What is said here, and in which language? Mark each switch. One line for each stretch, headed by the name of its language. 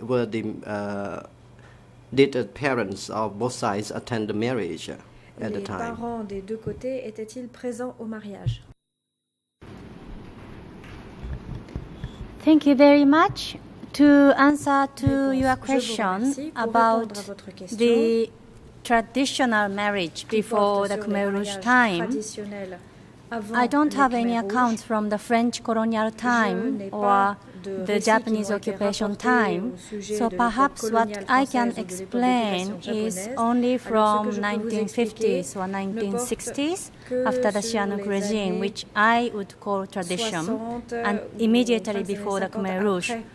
English: Did the parents of both sides attend the marriage at the time?
French: Les parents des deux côtés étaient-ils présents au mariage?
English: Thank you very much. To answer to your question about the traditional marriage before the Khmer Rouge time, I don't have any accounts from the French colonial time or the Japanese occupation time, so perhaps what I can explain is only from 1950s or 1960s after the Sihanouk regime, which I would call tradition, and immediately before the Khmer Rouge.